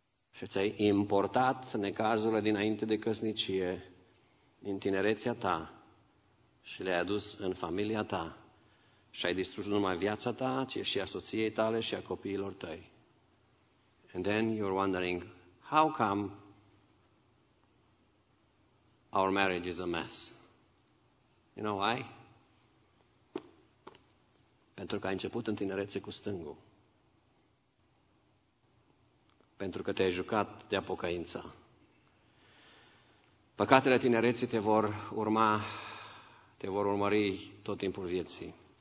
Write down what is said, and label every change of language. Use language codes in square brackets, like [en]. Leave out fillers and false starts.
[ro] Și ți-ai importat necazurile dinainte de căsnicie, din tinerețea ta, și le-ai adus în familia ta. Și ai distrus nu numai viața ta, ci și a soției tale și a copiilor tăi. [en] And then you're wondering, how come our marriage is a mess? You know why? [ro] Pentru că ai început în tinerețe cu stângul. Pentru că te-ai jucat de pocăința. Păcatele tinereții te vor urma, te vor urmări tot timpul vieții.